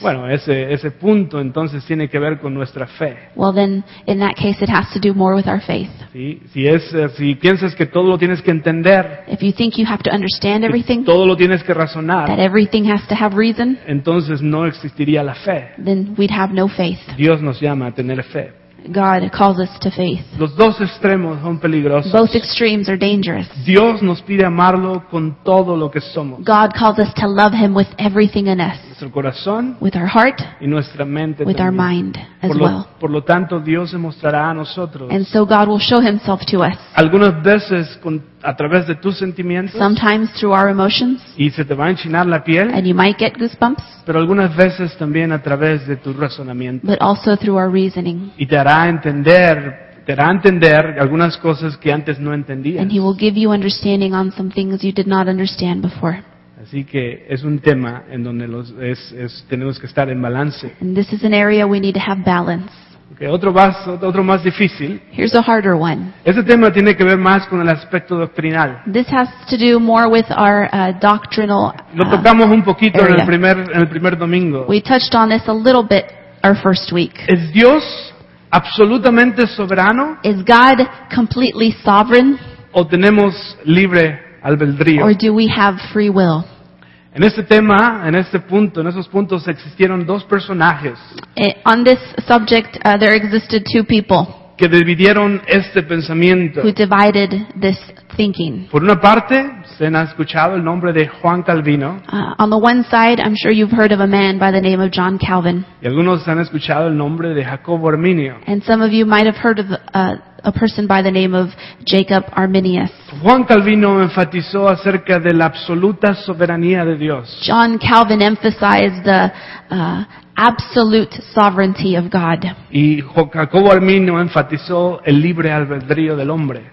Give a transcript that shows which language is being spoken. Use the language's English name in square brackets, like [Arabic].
[Spanish] Bueno, ese punto entonces tiene que ver con nuestra fe. [English] Well then, in that case, it has to do more with our faith. [Spanish] Sí, si piensas que todo lo tienes que entender, [English] if you think you have to understand everything, [Spanish] todo lo tienes que razonar, [English] that everything has to have reason, [Spanish] entonces no existiría la fe. [English] Then we'd have no faith. [Spanish] Dios nos llama a tener fe. [English] God calls us to faith. [Spanish] Los dos extremos son peligrosos. [English] Both extremes are dangerous. [Spanish] Dios nos pide amarlo con todo lo que somos. [English] God calls us to love him with everything in us. [Spanish] Nuestro corazón, [English] with our heart, [Spanish] y nuestra mente [English] with [Spanish] también. [English] Our mind as [Spanish] por [English] well. [Spanish] Por lo tanto, Dios se mostrará a nosotros. [English] And so God will show himself to us. [Spanish] Algunas veces a través de tus sentimientos. [English] Sometimes through our emotions. [Spanish] Y se te va a enchinar la piel. [English] And you might get goosebumps. [Spanish] Pero algunas veces también a través de tu razonamiento. [English] But also through our reasoning. [Spanish] Y te hará entender algunas cosas que antes no entendías. [English] And he will give you understanding on some things you did not understand before. [Spanish] Así que es un tema en donde tenemos que estar en balance. [English] And this is an area we need to have balance. [Spanish] Okay, otro más difícil. [English] Here's a harder one. [Spanish] Este tema tiene que ver más con el aspecto doctrinal. [English] This has to do more with our doctrinal. [Spanish] Lo tocamos un poquito area. en el primer domingo. [English] We touched on this a little bit our first week. [Spanish] ¿Es Dios absolutamente soberano? [English] Is God completely sovereign? [Spanish] ¿O tenemos libre albedrío? [English] Or do we have free will? [Spanish] En este tema, en este punto, en esos puntos existieron dos personajes. [English] On this subject, there existed two people. [Spanish] Que dividieron este pensamiento. [English] Who divided this thinking. [Spanish] Por una parte, se ha escuchado el nombre de Juan Calvino. [English] On the one side, I'm sure you've heard of a man by the name of John Calvin. [Spanish] Y algunos han escuchado el nombre de Jacobo Arminio. [English] And some of you might have heard of a person by the name of Jacob Arminius. [Spanish] Juan Calvino enfatizó acerca de la absoluta soberanía de Dios. [English] John Calvin emphasized the absolute sovereignty of God. [Spanish] Y Jacobo Arminio enfatizó el libre albedrío del hombre.